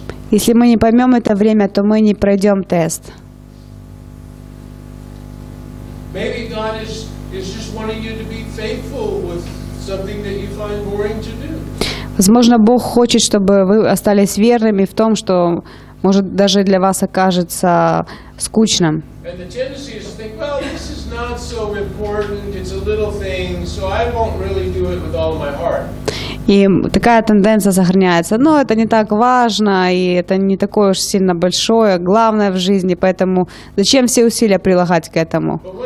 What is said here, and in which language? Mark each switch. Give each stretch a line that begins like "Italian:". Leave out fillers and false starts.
Russian: Если мы не поймем это время, то мы не пройдем тест.
English: Maybe God is just wanting you to be faithful with something that you find boring to do.
Russian: Возможно, Бог хочет, чтобы вы остались верными в том, что может даже для вас окажется скучным.
English: And the tendency is to think, well, this is not so important. It's a little thing, so I won't really do it with all my heart.
Russian: И такая тенденция сохраняется. Но это не так важно, и это не такое уж сильно большое, главное в жизни, поэтому зачем все усилия прилагать к этому?